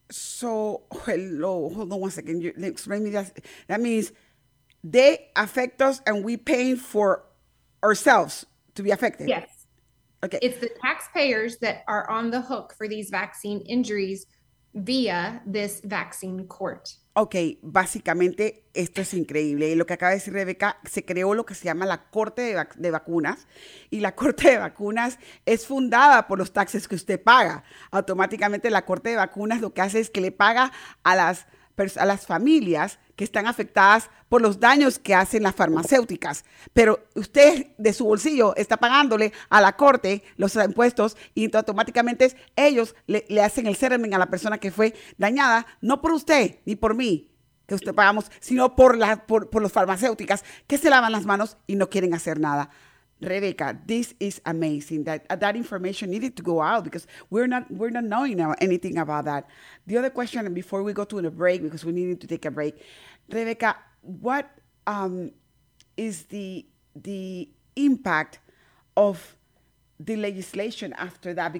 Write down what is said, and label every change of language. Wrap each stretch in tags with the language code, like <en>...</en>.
<en>So, hello, hold on 1 second. You explain me that. That means they affect us and we pay for ourselves to be affected. Yes. Okay. It's the taxpayers that are on the hook for these vaccine injuries via this vaccine court.</en> <es>Okay, básicamente esto es increíble. Y lo que acaba de decir Rebeca, se creó lo que se llama la Corte de Vacunas. Y la Corte de Vacunas es fundada por los taxes que usted paga. Automáticamente la Corte de Vacunas lo que hace es que le paga a las familias que están afectadas por los daños que hacen las farmacéuticas. Pero usted de su bolsillo está pagándole a la corte los impuestos y automáticamente ellos le hacen el settlement a la persona que fue dañada, no por usted ni por mí, que usted pagamos, sino por los farmacéuticas que se lavan las manos y no quieren hacer nada.</es> <en>Rebeca, this is amazing that information needed to go out because we're not knowing anything about that. The other question, and before we go to a break, because we needed to take a break, Rebeca, what is the impact of the legislation after that?</en>